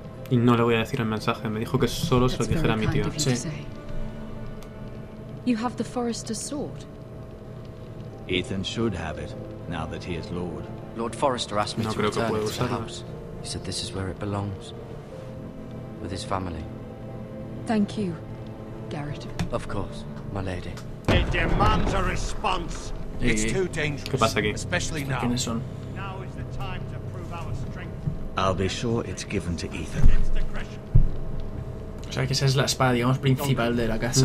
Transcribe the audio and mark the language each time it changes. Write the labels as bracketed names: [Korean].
[Spanish] Y no le voy a decir el mensaje. Me dijo que solo se lo dijera a mi tío. Sí. [English] You have the Forrester's sword. Ethan should have it now that he is lord. Lord Forrester asked me to return it to the house. He said this is where it belongs. With his family. Thank you, Gared. Of course, my lady. It demands a response. It's too dangerous. [Spanish] ¿Qué pasa aquí? [English] Especially now. [Spanish] ¿Quiénes son? [English] Now is the time to prove our strength. I'll be sure it's given to Ethan. [Spanish] O sea, que esa es la espada, digamos, principal de la casa.